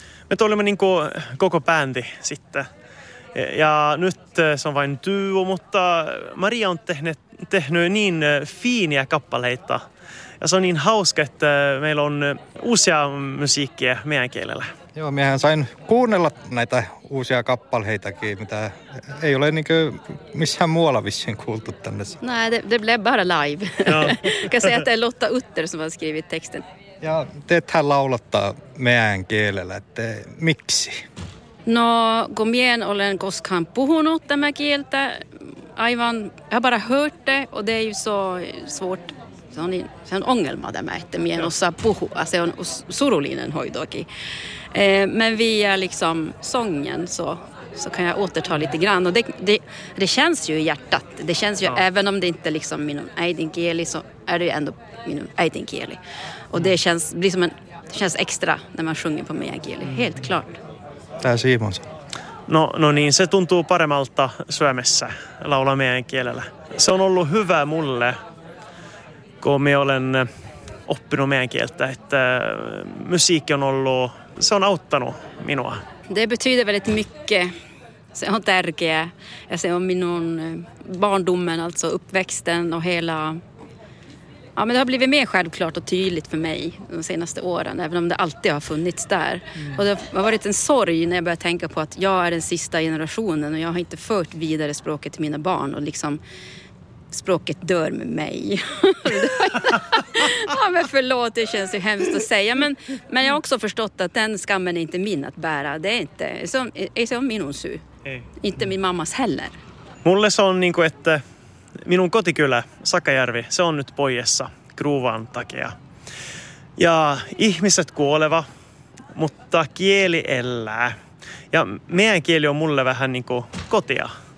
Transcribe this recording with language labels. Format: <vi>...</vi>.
<fit>Me tulimme niin kuin koko bändi sitten. Ja nyt se on vain duo, mutta Maria on tehnyt niin fiiniä kappaleita. Ja se on niin hauska, että meillä on uusia musiikkia meidän kielellä. Joo, minähän sain kuunnella näitä uusia kappaleitakin, mitä ei ole niin kuin missään muualla vissiin kuultu tänne.</fit> <sv>Nej, det blev bara live. Kan säga att det är Lotta Utter som har skrivit texten.</sv> <fit>Ja teethän laulattaa meidän kielellä, että miksi? No, kun minä en ole koskaan puhunut tämä kieltä, aivan,</fit> <sv>jag bara hört det, och det är ju så svårt,</sv> <fit>se on ongelma tämä, että minä en osaa puhua, se on surullinen hoitokin.</fit> <sv>Men via liksom sången så kan jag återta lite grann, och det känns ju i hjärtat, det känns ju, även om det inte liksom min äidinkieli, så är det ju ändå min äidinkieli. Och det känns liksom det känns extra när man sjunger på meänkieli, helt klart.</sv> <fit>Tää Simon. No niin, se tuntuu paremmalta Suomessa laulaa meänkielellä. Se on ollut hyvä mulle, kun me olen oppinut meänkieltä, että musiikki on ollut, se on auttanut minua.</fit> <sv>Det betyder väldigt mycket.</sv> <fit>Se on tärkeä ja se on minun</fit> <sv>barndomen, alltså uppväxten och hela Ja, men det har blivit mer självklart och tydligt för mig de senaste åren, även om det alltid har funnits där. Mm. Och det har varit en sorg när jag började tänka på att jag är den sista generationen och jag har inte fört vidare språket till mina barn och liksom språket dör med mig. Ja, men förlåt, det känns ju hemskt att säga. Men jag har också förstått att den skammen är inte min att bära. Det är inte som min osu. Mm. Inte min mammas heller.</sv> <fit>Mulle se on niin kuin, että minun kotikylä Sakajärvi, se on nyt pojessa gruvan takia. Ja ihmiset kuoleva, mutta kieli elää. Ja meidän kieli on mulle vähän niin kuin kotia.</fit>